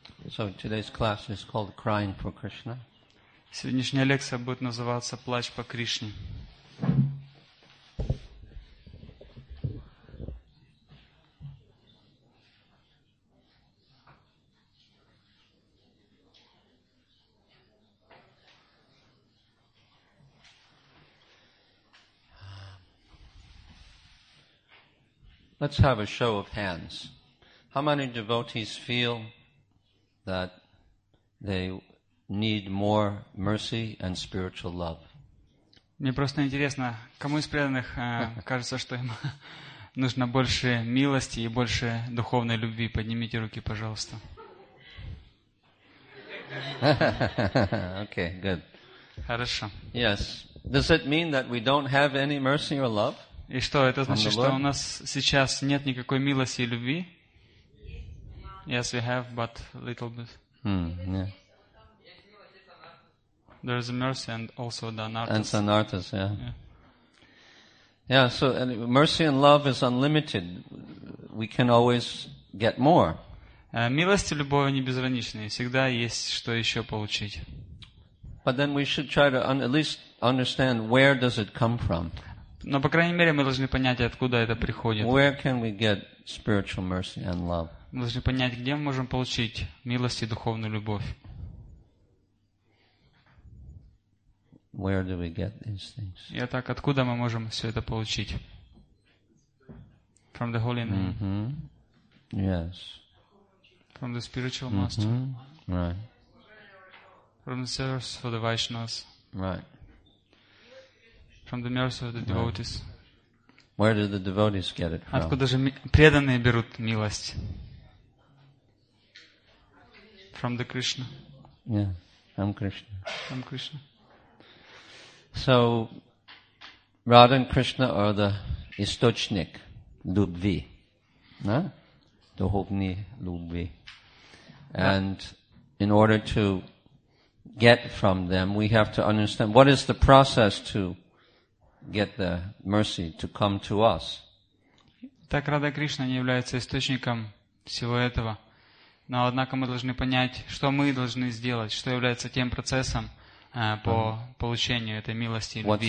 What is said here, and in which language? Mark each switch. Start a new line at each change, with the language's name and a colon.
English: So today's class is called Crying for Krishna.
Russian: Сегодняшняя лекция будет называться Плач по Кришне.
English: Let's have a show of hands. How many devotees feel that they need more mercy and spiritual love?
Russian: Мне просто интересно, кому из преданных кажется, что им нужно больше милости и больше духовной любви? Поднимите руки, пожалуйста.
English: Okay, good.
Russian: Хорошо.
English: Yes. Does it mean that we don't have any mercy or love?
Russian: И что, это значит, что у нас сейчас нет никакой милости и любви?
English: Yes, we have, but little bit. Yeah. There is mercy and also dānartha. And dānartha, yeah. Yeah, so anyway, mercy and love is unlimited. We can always get more.
Russian: Милость и любовь не безграничны. Всегда есть что еще получить.
English: But then we should try to at least understand where does it come from.
Russian: Но, по крайней мере, мы должны понять, откуда это приходит.
English: Where can we get spiritual mercy and love?
Russian: Мы должны понять, где мы можем получить милость и духовную любовь.
English: Where do we get these things?
Russian: И так, откуда мы можем все это получить?
English: From the Holy Name. Mm-hmm. Yes. From the spiritual master. Right. From the service for the Vaishnavas. Right. From the mercy of the devotees. Right. Where do the devotees get it from?
Russian: Откуда же преданные берут милость?
English: From the Krishna. Yeah, I'm Krishna. I'm Krishna. So, Radha and Krishna are the
Russian: источник любви,
English: no?
Russian: Духовной любви.
English: And in order to get from them, we have to understand what is the process to get the mercy to come to us.
Russian: Так Радха Кришна не является источником всего этого. Но однако мы должны понять, что мы должны сделать, что является тем процессом по получению этой милости и любви.